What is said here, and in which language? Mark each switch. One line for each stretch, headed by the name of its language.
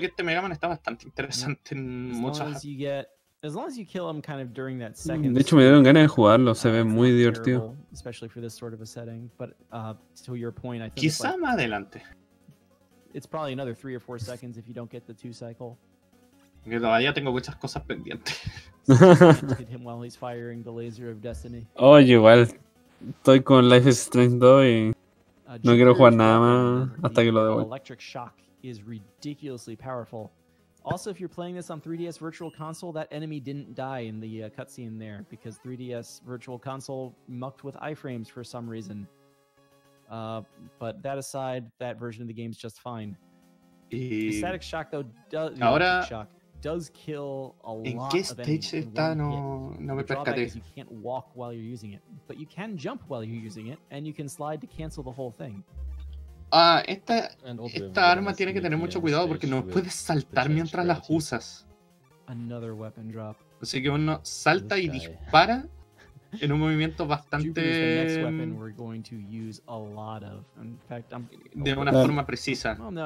Spanish: que este Mega Man está bastante interesante en muchas. De hecho, me dieron ganas de jugarlo, se ve muy divertido.
English: Especially for this sort of a setting, but to your point, I think
Spanish: quizá más adelante.
English: It's probably another 3 or 4 seconds if you don't get the 2 cycle.
Spanish: Que todavía tengo muchas cosas pendientes.
English: Hit him while he's firing the laser of destiny.
Spanish: Oh, igual estoy con Life is Strange 2 y no quiero jugar nada más hasta que lo devuelva.
English: The electric shock is ridiculously powerful. Also, if you're playing this on 3DS Virtual Console, that enemy didn't die in the cutscene there because 3DS Virtual Console mucked with iframes for some reason. But that aside, that version of the game is just fine.
Spanish: Y
English: the static shock, though, does,
Spanish: ahora,
English: the shock does kill a lot of enemies.
Spanish: ¿En qué stage está? No, no me percaté.
English: You can't walk while you're using it, but you can jump while you're using it, and you can slide to cancel the whole thing.
Spanish: Esta arma tiene que tener mucho cuidado porque no puedes saltar mientras las usas.
English: Another weapon drop.
Spanish: Así que uno salta y dispara en un movimiento bastante de una forma precisa.